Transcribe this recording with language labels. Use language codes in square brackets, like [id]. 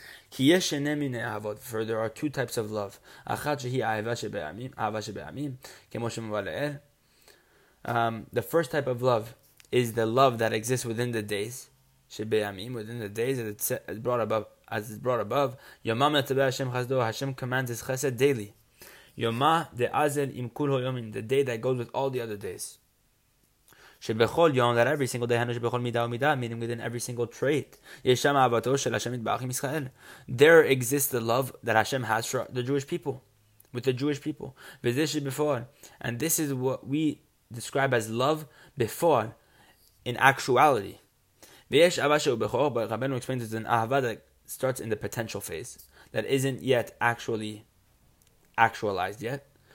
[en] For there are two types of love. The first type of love is the love that exists within the days, within the days as it's brought above. Hashem commands his chesed daily. The day that goes with all the other days. [he] שבכל יום, [en] that every single day, [he] הנה שבכל מידה ומידה, [en] meaning within every single trait, [he] יש שם אהבתו של השם יתברך עם ישראל. [en] There exists the love that Hashem has for the Jewish people, with the Jewish people. [he] וזה שבפועל, [en] and this is what we describe as love בפועל, in actuality. [he] ויש אהבה שהוא בכור, [en] but רבנו explains it's an אהבה that starts in the potential phase, that isn't yet actually actualized yet.